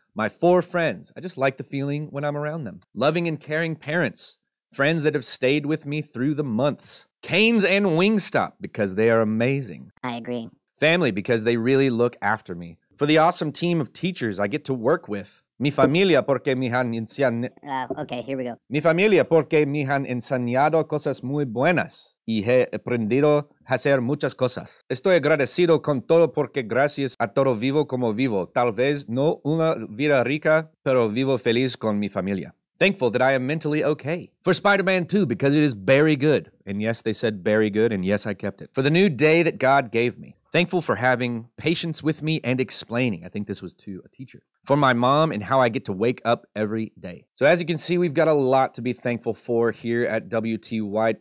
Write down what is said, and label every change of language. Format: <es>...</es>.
<en>My four friends, I just like the feeling when I'm around them. Loving and caring parents, friends that have stayed with me through the months. Canes and Wingstop, because they are amazing. I agree. Family, because they really look after me. For the awesome team of teachers I get to work with.</en> <es>Mi familia porque me han enseñado.</es> <en>Okay, here we go.</en> <es>Mi familia porque me han enseñado cosas muy buenas. Y he aprendido a hacer muchas cosas. Estoy agradecido con todo porque gracias a todo vivo como vivo. Tal vez no una vida rica, pero vivo feliz con mi familia.</es> <en>Thankful that I am mentally okay. For Spider-Man 2, because it is very good. And yes, they said very good, and yes, I kept it. For the new day that God gave me. Thankful for having patience with me and explaining. I think this was to a teacher. For my mom and how I get to wake up every day. So as you can see, we've got a lot to be thankful for here at WT White.</en>